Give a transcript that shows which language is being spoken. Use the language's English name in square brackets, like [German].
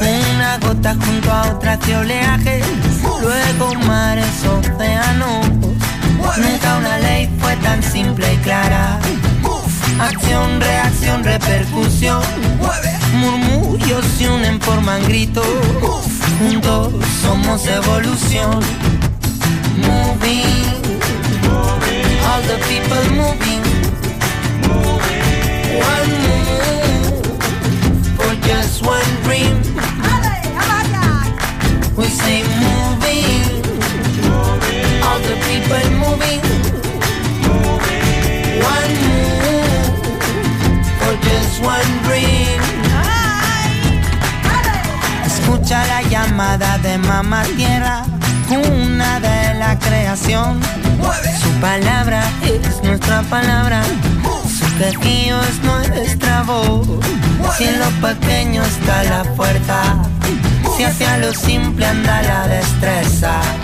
[Spanish] Una gota junto a otra de oleaje, luego mares, océanos. Nunca una ley fue tan simple y clara. Acción, reacción, repercusión. Murmullos se unen, forman gritos. Juntos somos evolución. [English] Moving, all the people moving, one move for just one dream. We say moving, all the people moving, one move for just one dream. [Spanish] Escucha la llamada de mamá tierra, cuna de la creación. Su palabra es nuestra palabra. Su quejío es nuestra voz. Si en lo pequeño está la fuerza, si hacia lo simple anda la destreza.